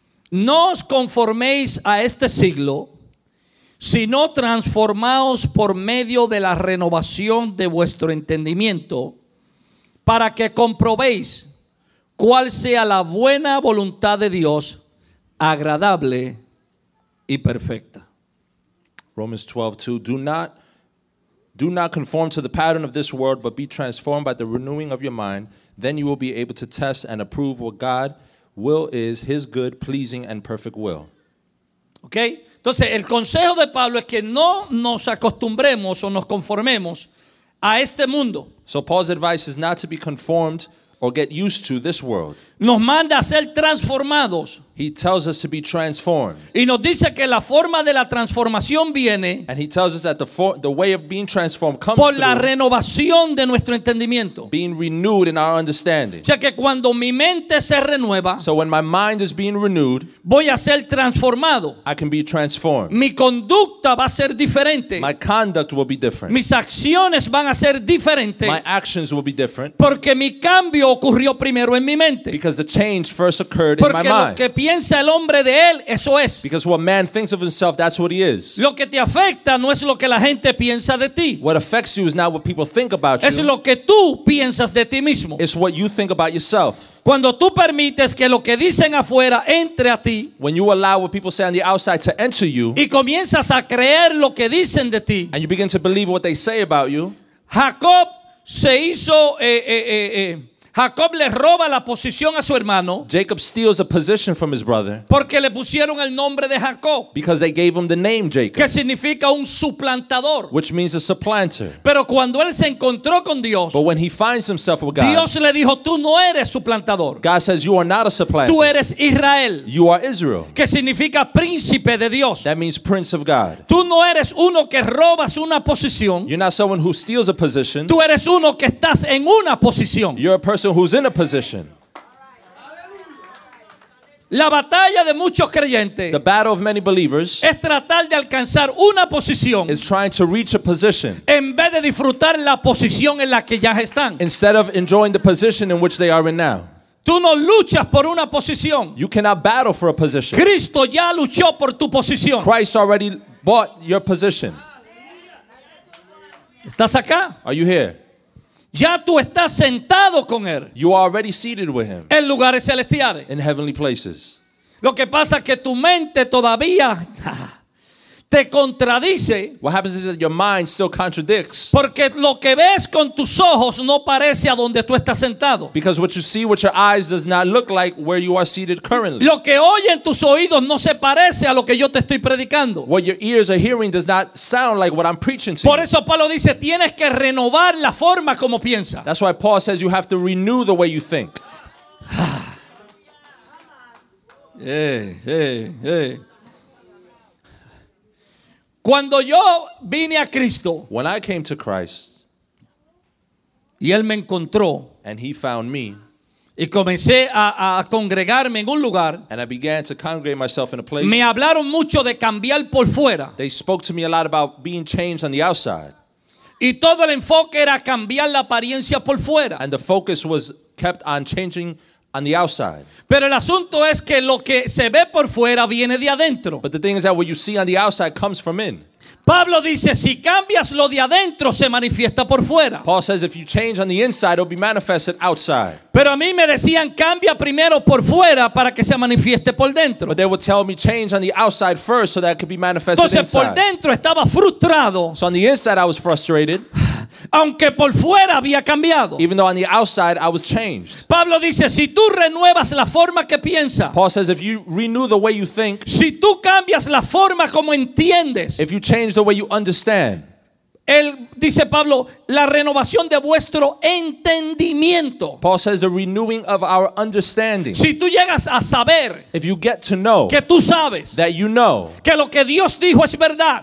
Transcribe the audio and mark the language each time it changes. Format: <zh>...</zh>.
<es>No os conforméis a este siglo, sino transformaos por medio de la renovación de vuestro entendimiento, para que comprobéis cuál sea la buena voluntad de Dios, agradable y perfecta.</es> <en>Romans 12:2. Do not conform to the pattern of this world, but be transformed by the renewing of your mind. Then you will be able to test and approve what God will is, his good, pleasing, and perfect will. Okay.</en> <es>Entonces, el consejo de Pablo es que no nos acostumbremos o nos conformemos a este mundo.</es> <en>So Paul's advice is not to be conformed or get used to this world.</en> <es>Nos manda a ser transformados.</es> <en>He tells us to be transformed.</en> <es>Y nos dice que la forma de la transformación viene.</es> <en>And he tells us that the way of being transformed comes</en> <es>por la renovación de nuestro entendimiento.</es> <en>Being renewed in our understanding.</en> <es>O sea que cuando mi mente se renueva,</es> <en>so when my mind is being renewed,</en> <es>voy a ser transformado.</es> <en>I can be transformed.</en> <es>Mi conducta va a ser diferente.</es> <en>My conduct will be different.</en> <es>Mis acciones van a ser diferentes.</es> <en>My actions will be different.</en> <es>Porque mi cambio ocurrió primero en mi mente.</es> <en>Because the change first occurred</en> <es>porque</es> <en>in my mind.</en> <es>Que piensa el hombre de él, eso es.</es> <en>Because what man thinks of himself, that's what he is.</en> <es>Lo que te afecta no es lo que la gente piensa de ti.</es> <en>What affects you is not what people think about</en> <es>es</es> <en>you.</en> <es>Es lo que tú piensas de ti mismo.</es> <en>It's what you think about yourself.</en> <es>Cuando tú permites que lo que dicen afuera entre a ti.</es> <en>When you allow what people say on the outside to enter you.</en> <es>Y comienzas a creer lo que dicen de ti.</es> <en>And you begin to believe what they say about you.</en> <es>Jacob se hizo Jacob le roba la posición a su hermano.</es> <en>Jacob steals a position from his brother.</en> <es>Porque le pusieron el nombre de Jacob.</es> <en>Because they gave him the name Jacob.</en> <es>Que significa un suplantador.</es> <en>Which means a supplanter.</en> <es>Pero cuando él se encontró con Dios.</es> <en>But when he finds himself with God.</en> <es>Dios le dijo, tú no eres suplantador.</es> <en>God says, you are not a supplanter.</en> <es>Tú eres Israel.</es> <en>You are Israel.</en> <es>Que significa príncipe de Dios.</es> <en>That means prince of God.</en> <es>Tú no eres uno que robas una posición.</es> <en>You're not someone who steals a position.</en> <es>Tú eres uno que estás en una posición.</es> <en>You're a person who's in a position.</en> <es>La batalla de muchos creyentes,</es> <en>the battle of many believers,</en> <es>es tratar de alcanzar una posición,</es> <en>is trying to reach a position,</en> <es>en vez de disfrutar la posición en la que ya están,</es> <en>instead of enjoying the position in which they are in now.</en> <es>Tú no luchas por una posición.</es> <en>You cannot battle for a position.</en> <es>Cristo ya luchó por tu posición.</es> <en>Christ already bought your position.</en> <es>¿Estás acá?</es> <en>Are you here?</en> <es>Ya tú estás sentado con él.</es> <en>You are already seated with him.</en> <es>En lugares celestiales.</es> <en>In heavenly places.</en> <es>Lo que pasa es que tu mente todavía te contradice.</es> <en>What happens is that your mind still contradicts.</en> <es>Porque lo que ves con tus ojos no parece a donde tú estás sentado.</es> <en>Because what you see with your eyes does not look like where you are seated currently.</en> <es>Lo que oyen tus oídos no se parece a lo que yo te estoy predicando.</es> <en>What your ears are hearing does not sound like what I'm preaching to you.</en> <es>Por eso Pablo dice, tienes que renovar la forma como piensas.</es> <en>That's why Paul says you have to renew the way you think. Hey.</en> <es>Cuando yo vine a Cristo,</es> <en>when I came to Christ,</en> <es>y él me encontró,</es> <en>and he found me,</en> <es>y comencé a congregarme en un lugar,</es> <en>and I began to congregate myself in a place,</en> <es>me hablaron mucho de cambiar por fuera.</es> <en>They spoke to me a lot about being changed on the outside.</en> <es>Y todo el enfoque era cambiar la apariencia por fuera.</es> <en>And the focus was kept on changing on the outside.</en> <es>Pero el asunto es que lo que se ve por fuera viene de adentro.</es> <en>But the thing is that what you see on the outside comes from in.</en> <es>Pablo dice, si cambias lo de adentro, se manifiesta por fuera.</es> <en>Paul says, if you change on the inside, it'll be manifested outside.</en> <es>Pero a mí me decían, cambia primero por fuera para que se manifieste por dentro.</es> <en>But they would tell me, change on the outside first so that it could be manifested</en> <es>entonces,</es> <en>inside.</en> <es>Entonces, por dentro estaba frustrado.</es> <en>So on the inside, I was frustrated.</en> <es>Aunque por fuera había cambiado.</es> <en>Even though on the outside I was changed.</en> <es>Pablo dice, si tú renuevas la forma que piensas.</es> <en>Paul says, if you renew the way you think.</en> <es>Si tú cambias la forma como entiendes.</es> <en>If you change the way you understand.</en> <es>Él dice Pablo, la renovación de vuestro entendimiento.</es> <en>Paul says the renewing of our understanding.</en> <es>Si tú llegas a saber,</es> <en>if you get to know,</en> <es>que tú sabes,</es> <en>that you know,</en> <es>que lo que Dios dijo es verdad,</es>